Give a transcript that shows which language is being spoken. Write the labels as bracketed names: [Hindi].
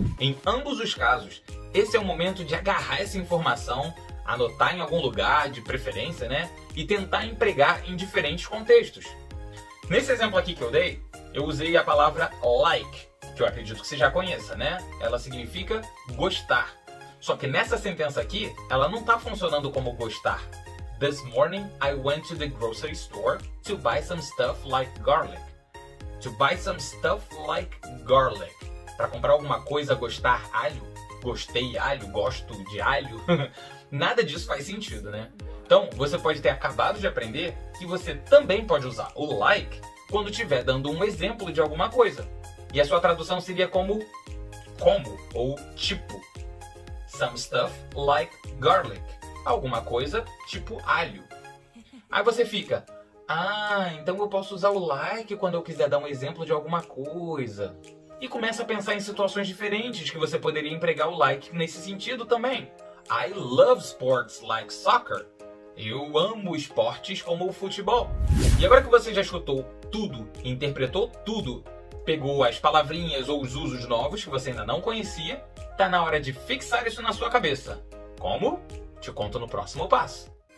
[Portuguese] Em ambos os casos, esse é o momento de agarrar essa informação, anotar em algum lugar, de preferência, né? E tentar empregar em diferentes contextos. Nesse exemplo aqui que eu dei, eu usei a palavra like, que eu acredito que você já conheça, né? Ela significa gostar. Só que nessa sentença aqui, ela não tá funcionando como gostar. [English] This morning, I went to the grocery store to buy some stuff like garlic. To buy some stuff like garlic. [Portuguese] Pra comprar alguma coisa, gostar alho? Gostei alho? Gosto de alho? Nada disso faz sentido, né? Então, você pode ter acabado de aprender que você também pode usar o like quando estiver dando um exemplo de alguma coisa. E a sua tradução seria como, ou tipo. [English] Some stuff like garlic. [Portuguese] Alguma coisa tipo alho. Aí você fica, então eu posso usar o like quando eu quiser dar um exemplo de alguma coisa. E começa a pensar em situações diferentes que você poderia empregar o like nesse sentido também. [English] I love sports like soccer. [Portuguese] Eu amo esportes como o futebol. E agora que você já escutou tudo, interpretou tudo, pegou as palavrinhas ou os usos novos que você ainda não conhecia, tá na hora de fixar isso na sua cabeça. Como? Te conto no próximo passo.